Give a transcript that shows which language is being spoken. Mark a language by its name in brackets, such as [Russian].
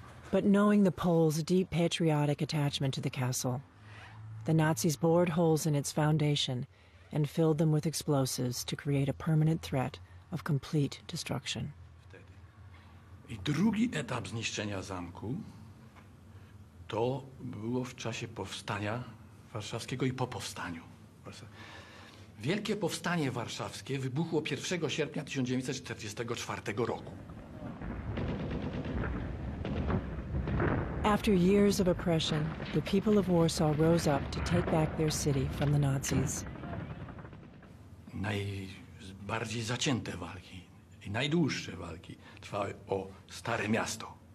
[English] But knowing the Poles' deep patriotic attachment to the castle, the Nazis bored holes in its foundation and filled them with explosives to create a permanent threat of complete destruction. [Polish] I drugi etap zniszczenia zamku to było w czasie powstania warszawskiego i po powstaniu. Wielkie powstanie warszawskie wybuchło 1 sierpnia 1944 roku. [English] After years of oppression, the people of Warsaw rose up to take back their city from the Nazis. [Polish] Najbardziej zacięte walki i najdłuższe walki trwały o Stare Miasto.